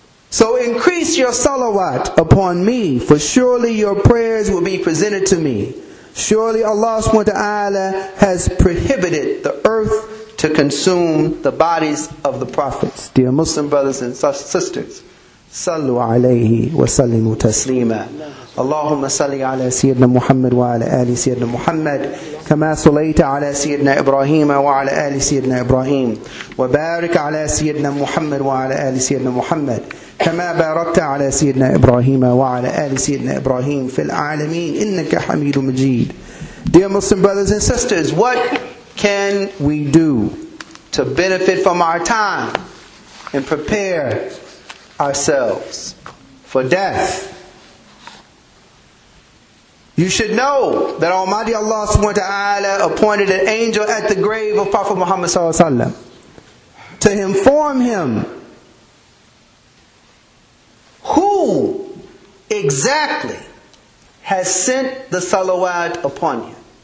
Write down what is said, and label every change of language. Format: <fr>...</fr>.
<en>So increase your salawat upon me, for surely your prayers will be presented to me. Surely Allah subhanahu wa ta'ala has prohibited the earth to consume the bodies of the prophets. Dear Muslim brothers and sisters,</en> <ar>صلوا عليه وسلموا تسليما. اللهم صل على سيدنا محمد وعلى آل سيدنا محمد كما صليت على سيدنا إبراهيم وعلى آل سيدنا إبراهيم، وبارك على سيدنا محمد وعلى آل سيدنا محمد كما باركت على سيدنا إبراهيم وعلى آل سيدنا إبراهيم في العالمين إنك حميد مجيد.</ar> <en>Dear Muslim brothers and sisters, what can we do to benefit from our time and prepare ourselves for death? You should know that Almighty Allah subhanahu wa ta'ala appointed an angel at the grave of Prophet Muhammad sallallahu alaihi wasallam to inform him who exactly has sent the salawat upon him.</en>